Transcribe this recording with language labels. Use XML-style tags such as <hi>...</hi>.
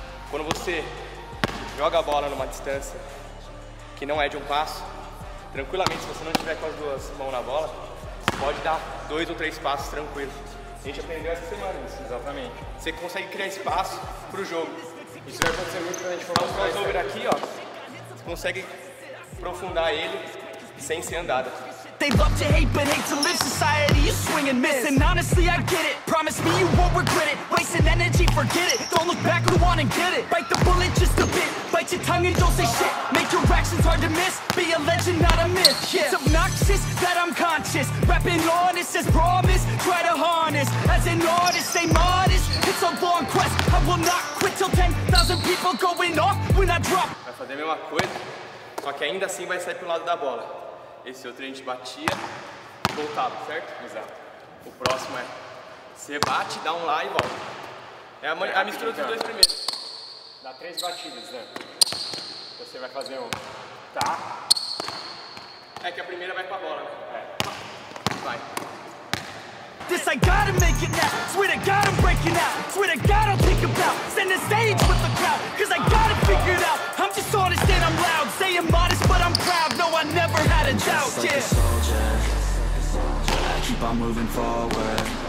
<pt>Quando você joga a bola numa distância que não é de um passo, tranquilamente, se você não tiver com as duas mãos na bola, você pode dar dois ou três passos tranquilo. A gente aprendeu essa semana isso. Exatamente. Você consegue criar espaço pro jogo. Isso vai acontecer muito quando a gente for mostrar isso. O crossover aqui, ó, você consegue aprofundar ele sem ser andado.</pt> <en>They love to hate, but hate to live. Society, you swing and miss. And honestly, I get it. Promise me you won't regret it. Wasting energy, forget it. Don't look back, go on and get it. Bite the bullet just a bit. Bite your tongue and don't say shit. Make your actions hard to miss. Be a legend, not a myth. It's obnoxious that I'm conscious. Rapping honest as promise. Try to harness. As an artist, stay modest. It's a long quest. I will not quit till 10,000 people going off when I drop.</en> <pt>Vai fazer a mesma coisa, só que ainda assim vai sair pro lado da bola. esse outro a gente batia, voltava, certo? Exato. O próximo é, você bate, dá um lá e volta. É a, a mistura dos dois primeiros. Dá três batidas, né? Você vai fazer um, tá? É que a primeira vai pra bola, né? É. Vai.</pt> <en>This I gotta make it now. Swear to God I'm breaking out. Swear to God I'll think about sending stage with the crowd. Cause I gotta figure it out. I'm just honest and I'm loud. Say I'm modest but I'm proud. No, I never had a doubt. Just like a soldier, I keep on moving forward.</en>